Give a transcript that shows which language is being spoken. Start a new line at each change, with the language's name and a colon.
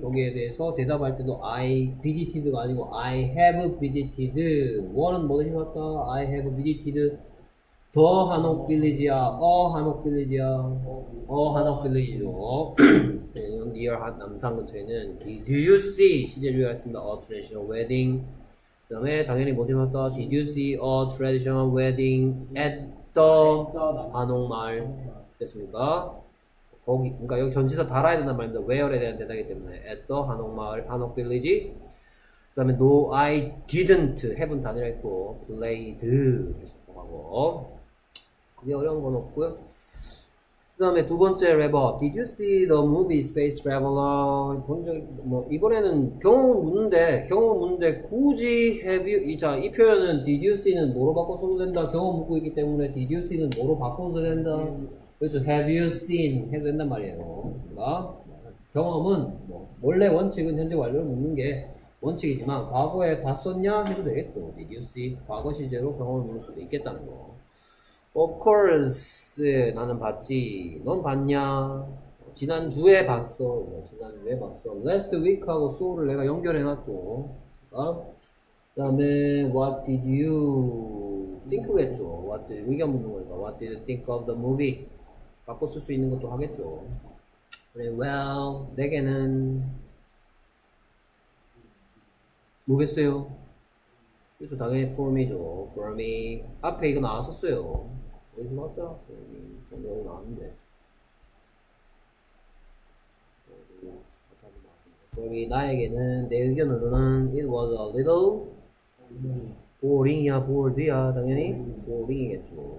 Korean: 거기에 대해서 대답할 때도 I visited가 아니고
English: I have visited.
Korean: 원은 뭐든지 왔다.
English: I have visited.
Korean: 더 한옥 빌리지야, 어 한옥 빌리지야, 어 한옥 빌리지죠. near 남산 근처에는
English: Did you see?
Korean: 시제 주의하였습니다.
English: A traditional wedding.
Korean: 그 다음에 당연히 못 읽었다.
English: Did you see a traditional wedding at the 한옥마을?
Korean: 됐습니까? 거기, 그러니까 여기 전치사 달아야 된단 말입니다. Where에 대한 대답이기 때문에 at the 한옥마을, 한옥 빌리지. 그 다음에
English: No, I didn't. Haven't 단일했고 played 하고.
Korean: 이게 어려운 건 없고요. 그다음에 두 번째 레버,
English: Did you see the movie Space Traveler?
Korean: 본 적이 뭐 이번에는 경험 묻는데 굳이 have you 자, 이 표현은 Did you see는 뭐로 바꿔서도 된다. 경험 묻고 있기 때문에 Did you see는 뭐로 바꿔서도 된다. 그렇죠.
English: Have you seen
Korean: 해도 된단 말이에요. 그러니까 경험은 뭐 원래 원칙은 현재 완료를 묻는 게 원칙이지만 과거에 봤었냐 해도 되겠죠. Did you see 과거 시제로 경험을 묻을 수도 있겠다는 거.
English: Of course,
Korean: 나는 봤지. 넌 봤냐? 지난주에 봤어. 지난주에 봤어. Last week하고 so를 내가 연결해 놨죠. 그다음에
English: what did you think
Korean: 겠죠?
English: What
Korean: 의견 묻는 거니까
English: what did you think of the movie?
Korean: 바꿔 쓸수 있는 것도 하겠죠. 그래, well, 내게는 뭐겠어요? 그래서 당연히 for me죠. For me 앞에 이거 나왔었어요. 여기서 맞죠? 여기 나왔는데 여기 나에게는 내 의견으로는
English: it was a little boring
Korean: 이야, bored이야 당연히 boring이겠죠.